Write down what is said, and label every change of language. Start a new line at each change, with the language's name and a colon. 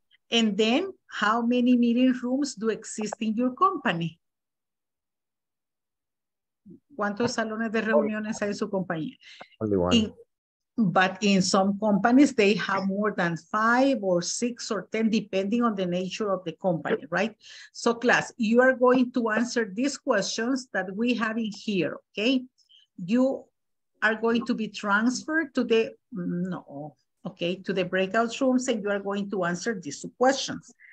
English: And then, how many meeting rooms do exist in your company?
Spanish: ¿Cuántos salones de reuniones hay en su compañía?
English: Only one. But in some companies, they have more than 5 or 6 or 10, depending on the nature of the company, right? So class, you are going to answer these questions that we have in here, okay? You are going to be transferred to the, to the breakout rooms, and you are going to answer these two questions.